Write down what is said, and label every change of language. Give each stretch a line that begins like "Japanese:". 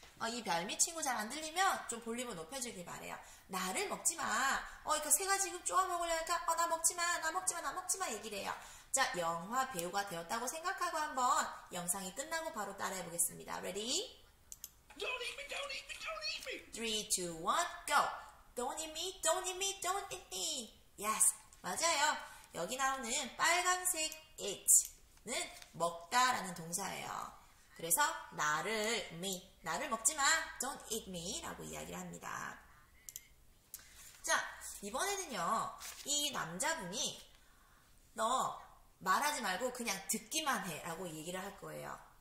Korean: 이 별미 친구 잘 안 들리면 좀 볼륨을 높여주길 바래요. 나를 먹지 마. 이거 새가 지금 쪼아 먹으려니까 나 먹지 마, 나 먹지 마, 나 먹지 마 얘기를 해요. 자, 영화 배우가 되었다고 생각하고 한번 영상이 끝나고 바로 따라해 보겠습니다.
English: Ready? Don't eat me, don't eat me, don't eat me. 3, 2, 1, go. Don't eat me, don't eat me, don't eat me.
Korean: Yes, 맞아요. 여기 나오는 빨간색 it는 먹다라는 동사예요. 그래서 나를 me, 나를 먹지 마,
English: don't eat me
Korean: 라고 이야기를 합니다. 자, 이번에는요, 이 남자분이 너 말하지 말고 그냥 듣기만 해라고 얘기를 할 거예요.